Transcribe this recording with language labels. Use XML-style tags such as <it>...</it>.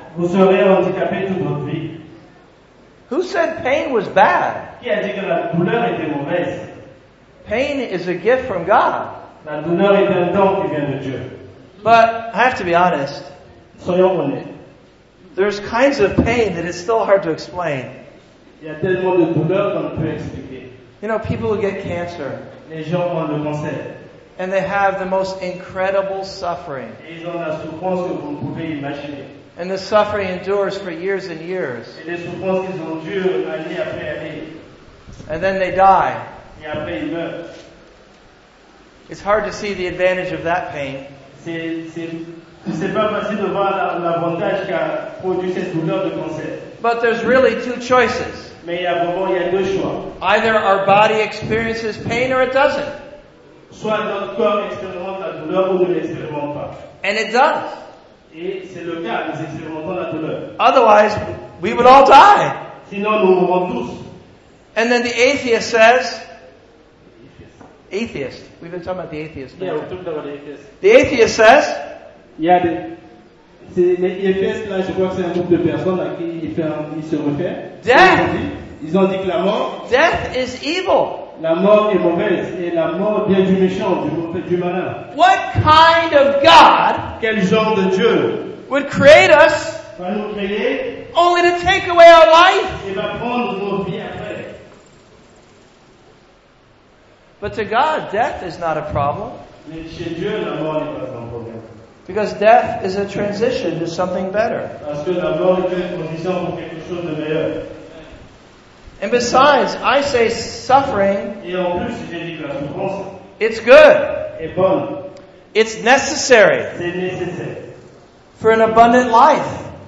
<en>Who said pain was bad? Pain is a gift from God. But I have to be honest.</en> <fr>Soyons honnêtes.</fr> <en>There's kinds of pain that it's still hard to explain.</en> <fr>Il y a tellement de douleurs qu'on ne peut expliquer.</fr> <en>You know, people who get cancer.</en> <fr>Les gens ont le cancer.</fr> <en>And they have the most incredible suffering.</en> <fr>Et ils ont la souffrance que vous ne pouvez imaginer.</fr> <en>And the suffering endures for years and years.</en> <fr>Et les souffrances qu'ils ont dures année après année.</fr> <en>And then they die.</en> <fr>Et après ils meurent.</fr> <en>It's hard to see the advantage of that pain.</en> <fr>C'est pas facile de voir l'avantage qu'a produit cette douleur de cancer.</fr> <en>But there's really two choices.</en> <fr>Mais il y a vraiment, il y a deux choix.</fr> <en>Either our body experiences pain or it doesn't.</en> <fr>Soit notre corps expérimente la douleur ou ne l'expérimente pas.</fr> <en>And it does.</en> <fr>Et c'est le cas, nous expérimentons la douleur.</fr> <en>Otherwise, we would all die.</en> <fr>Sinon, nous mourrons tous.</fr> <en>And then the atheist says, atheist. We've been talking about the atheist. Yeah, we talked about the atheist. The atheist says. Yeah, the atheist.</en> <fr>Là, je crois que c'est un groupe de personnes à qui il se refait.</fr> <en>Death.</en> <fr>Ils ont dit que la mort.</fr> <en>Death is evil.</en> <fr>La mort est mauvaise et la mort vient du méchant, du malin.</fr> <en>What kind of God?</en> <fr>Quel genre de Dieu?</fr> <en>Would create us?</en> <fr>Va nous créer.</fr> <en>Only to take away our life?</en> <fr>Et va prendre nos vies.</fr> <en>But to God, death is not a problem.</en> <fr>Mais chez Dieu, la mort n'est pas un problème.</fr> <en>Because death is a transition to something better.</en> <fr>Parce que la mort est une transition pour quelque chose de meilleur.</fr> <en>And besides, I say suffering.</en> <fr>Et en plus, j'ai dit que la souffrance.</fr> <en>It's good.</en> <fr>Est bonne.</fr> <en>It's necessary.</en> <fr>C'est nécessaire.</fr> <en>For an abundant life.</en>